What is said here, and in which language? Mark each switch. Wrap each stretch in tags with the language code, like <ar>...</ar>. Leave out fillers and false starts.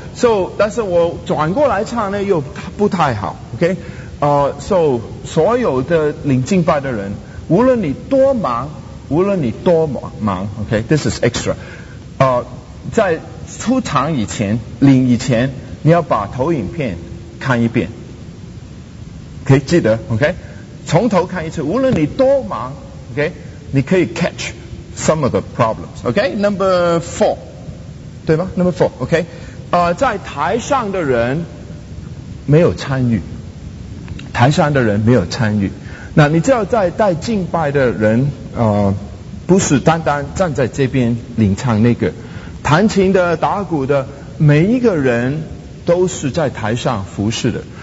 <zh>So， 但是我转过来唱呢，又不太好 ，OK， So， 所有的领敬拜的人，无论你多忙，无论你多忙 ，OK，</zh> <en>This is extra。</en> <zh>在出场以前，领以前，你要把投影片看一遍，可以记得 ，OK。从头看一次，无论你多忙 ，OK， 你可以</zh> <en>catch some of the problems，</en> <zh>OK，</zh> <en>number four，</en> <zh>对吗？</zh> <en>number four，</en> <zh>OK， 在台上的人没有参与，台上的人没有参与，那你知道在带敬拜的人不是单单站在这边领唱那个，弹琴的、打鼓的，每一个人都是在台上服侍的。</zh>